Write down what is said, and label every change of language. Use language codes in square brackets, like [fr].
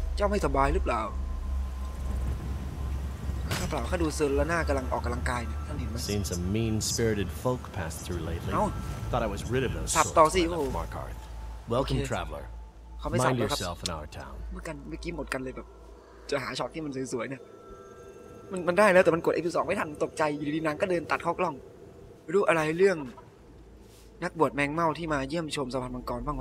[th] เจ้าไม่สบายหรือเปล่าข้าเปล่าข้าดูเซอร์ลาน่ากำลังออกกำลังกายเนี่ยท่านเห็นไหม [en] Seen some mean spirited folk pass through lately Thought I was rid of those [th] สับต่อสิโอ้ [en] Markarth Welcome traveler Mind yourself in our town [th] เมื่อกันเมื่อกี้หมดกันเลยแบบจะหาช็อตที่มันสวยๆเนี่ยมันได้แล้วแต่มันกดเอฟ2ไม่ทันตกใจอยู่ดีๆนางก็เดินตัดเข้ากล้องรู้อะไรเรื่องนักบวชแมงเม่าที่มาเยี่ยมชมสะพานมังกรบ้างไ